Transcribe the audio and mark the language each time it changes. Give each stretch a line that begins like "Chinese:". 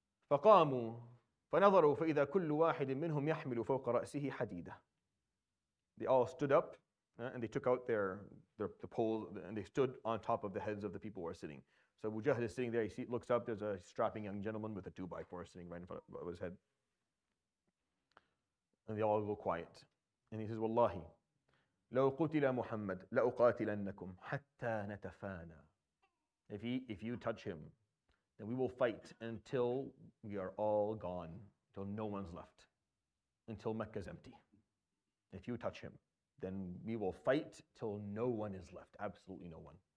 Arabic: فَقَامُوا فَنَظَرُوا فَإِذَا كُلُّ وَاحِدٍ مِّنْهُمْ يَحْمِلُ فَوْقَ رَأْسِهِ حَدِيدًا.
English: They all stood up and they took out the pole and they stood on top of the heads of the people who were sitting. So Abu Jahl is sitting there, he looks up, there's a strapping young gentleman with a 2x4 sitting right in front of his head. And they all go quiet. And he says,
Arabic: Wallahi, لو قتل محمد لأقاتلنكم حتى نتفانى.
English: If you touch him, then we will fight until we are all gone, until no one's left, until Mecca's empty. If you touch him, then we will fight till no one is left, absolutely no one.